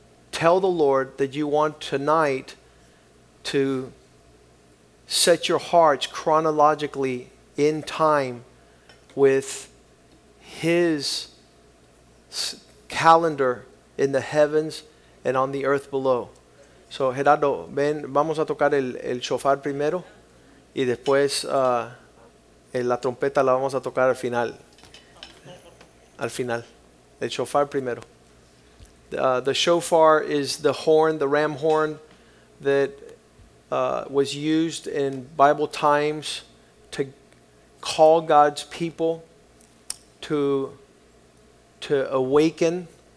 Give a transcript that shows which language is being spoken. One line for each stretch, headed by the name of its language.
English: Tell the Lord that you want tonight to set your hearts chronologically in time with his calendar in the heavens and on the earth below.
Spanish: So Gerardo, ven, vamos a tocar el shofar primero y después la trompeta la vamos a tocar al final. Al final. El shofar primero.
English: The shofar is the horn, the ram horn, that was used in Bible times to call God's people to awaken.